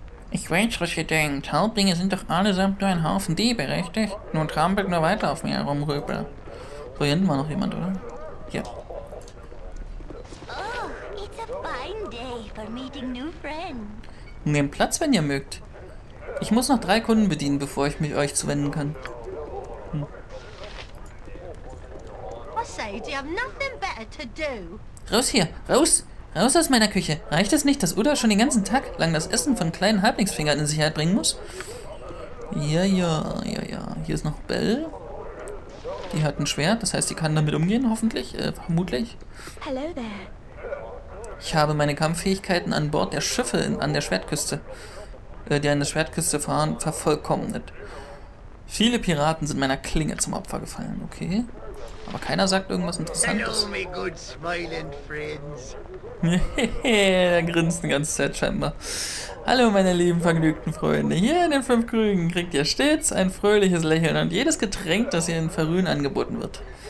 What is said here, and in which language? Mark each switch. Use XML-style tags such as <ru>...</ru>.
<de>Ich weiß, was ihr denkt. Halblinge sind doch allesamt nur ein Haufen Diebe, richtig? Nun trampelt nur weiter auf mir herum, Rübel. So, hier hinten war noch jemand, oder? Ja.</de> <en>Oh, it's a fine day for meeting new friends.</en> <de>Nehmt Platz, wenn ihr mögt. Ich muss noch drei Kunden bedienen, bevor ich mich euch zuwenden kann.</de> <en>Was say, you have nothing better to do?</en> <de>Raus hier! Raus! Raus aus meiner Küche! Reicht es nicht, dass Uda schon den ganzen Tag lang das Essen von kleinen Halblingsfingern in Sicherheit bringen muss? Ja. Hier ist noch Belle. Die hat ein Schwert, das heißt, die kann damit umgehen, hoffentlich. Vermutlich.</de> <en>Hello there.</en> <de>Ich habe meine Kampffähigkeiten an Bord der Schiffe an der Schwertküste. Die an der Schwertküste fahren, vervollkommnet. Viele Piraten sind meiner Klinge zum Opfer gefallen, okay? Aber keiner sagt irgendwas Interessantes.</de> <en>Hello, my good smiling friends.</en> <de>Er grinst die ganze Zeit scheinbar. Hallo, meine lieben vergnügten Freunde. Hier in den fünf Krügen kriegt ihr stets ein fröhliches Lächeln und jedes Getränk, das ihr in Verrühen angeboten wird.</de>